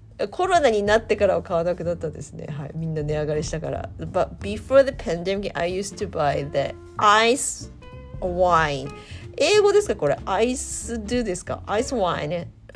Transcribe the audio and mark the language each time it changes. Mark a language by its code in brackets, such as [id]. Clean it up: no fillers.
[ja] コロナになってからは買わなくなったんですね。はい、みんな値上がりしたから。 [en] But before the pandemic, I used to buy the ice wine.英 [ja] 語ですか、これ。アイスドゥですか、アイスワイン。